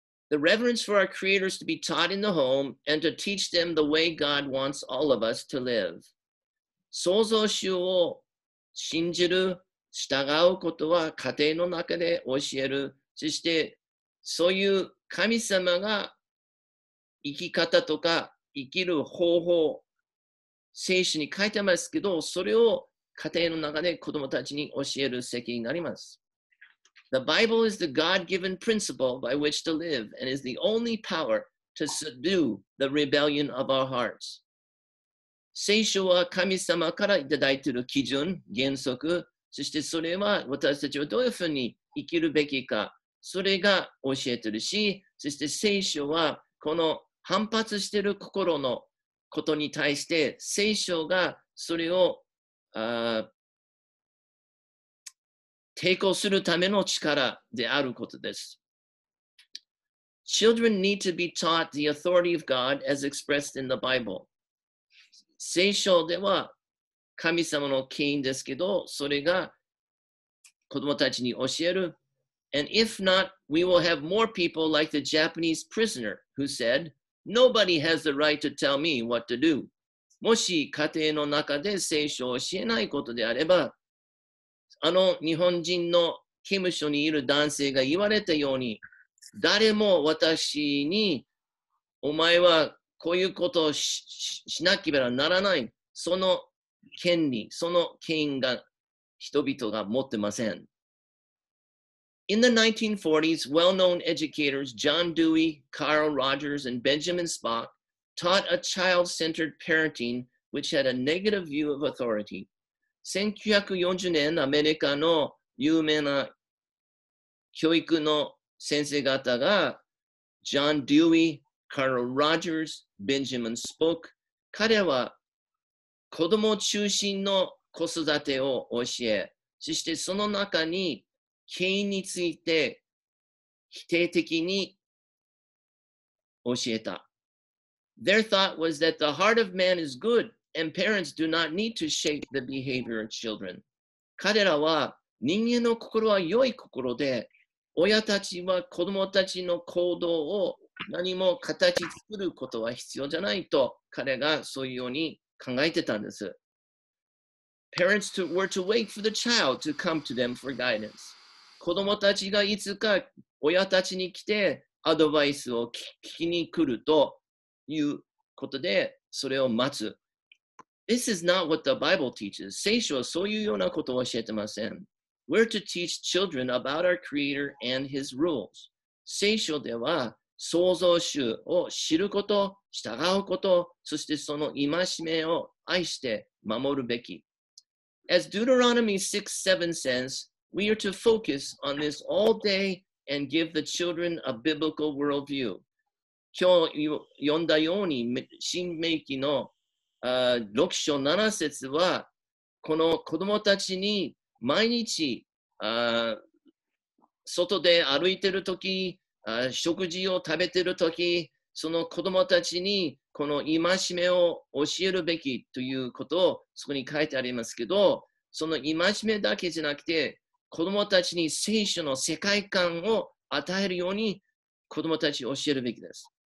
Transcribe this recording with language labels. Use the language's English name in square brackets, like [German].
[English] The reverence for our Creator is to be taught in the home and to teach them the way God wants all of us to live. [Japanese] 創造主を信じる、従うことは家庭の中で教える。そして、そういう神様が生き方とか生きる方法、聖書に書いてますけど、それを家庭の中で子供たちに教える責任があります。 [English] The Bible is the God-given principle by which to live and is the only power to subdue the rebellion of our hearts. [Japanese] 聖書は神様からいただいている基準、原則、そしてそれは私たちはどういうふうに生きるべきか、それが教えているし、そして聖書はこの反発している心のことに対して、聖書がそれを、抵抗するための力であることです。 [English] Children need to be taught the authority of God as expressed in the Bible. [Japanese] 聖書では神様の権威ですけど、それが子供たちに教える。 [English] And if not, we will have more people like the Japanese prisoner who said, Nobody has the right to tell me what to do. [Japanese] もし家庭の中で聖書を教えないことであれば、あの日本人の刑務所にいる男性が言われたように、誰も私にお前はこういうことを しなければならない、その権利、その権威が人々が持ってません。 [English] In the 1940s, well-known educators John Dewey, Carl Rogers, and Benjamin Spock taught a child-centered parenting which had a negative view of authority. [Japanese] 1940年、アメリカの有名な教育の先生方が、ジョン・デューイ、カール・ロジャース、ベンジャミン・スポーク、彼は子供中心の子育てを教え、そしてその中に権威について否定的に教えた。 [English] Their thought was that the heart of man is good. And parents do not need to shape the behavior of children. [Japanese] 彼らは人間の心は良い心で、親たちは子供たちの行動を何も形作ることは必要じゃないと彼がそういうように考えてたんです。 [English] Parents were to wait for the child to come to them for guidance. [Japanese] 子供たちがいつか親たちに来てアドバイスを聞きに来るということでそれを待つ。 [English] This is not what the Bible teaches. [Japanese] 聖書はそういうようなことを教えてません。 [English] We're to teach children about our Creator and His rules. [Japanese] 聖書では創造主を知ること、従うこと、そしてその戒めを愛して守るべき。 [English] As Deuteronomy 6:7 says, We are to focus on this all day and give the children a biblical worldview. [Japanese] 今日読んだように、新明記の6章7節は、この子供たちに毎日、外で歩いてるとき、食事を食べてるとき、その子供たちにこの戒めを教えるべきということをそこに書いてありますけど、その戒めだけじゃなくて、子供たちに聖書の世界観を与えるように子供たちを教えるべきです。